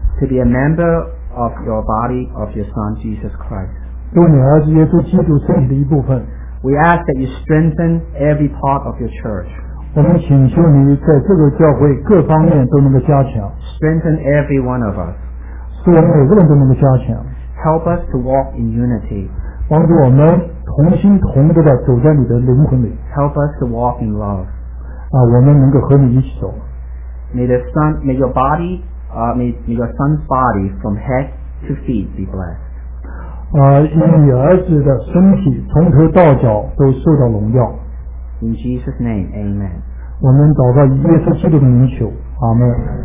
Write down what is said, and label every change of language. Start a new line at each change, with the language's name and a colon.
English: To be a member of your body of your Son Jesus Christ.
Chinese: 作为你儿子耶稣基督身体的一部分。
English: We ask that you strengthen every part of your church.
Chinese: 我们请求你在这个教会各方面都能够加强。
English: Strengthen every one of us.
Chinese: 使我们每个人都能够加强。
English: Help us to walk in unity.
Chinese: 帮助我们同心同德地走在你的灵魂里。
English: Help us to walk in love.
Chinese: 我们能够和你一起走。
English: May your son's body from head to feet be blessed.
Chinese: 以你儿子的身体从头到脚都受到荣耀。
English: In Jesus' name, amen.
Chinese: 我们祷告耶稣基督的名求，阿门。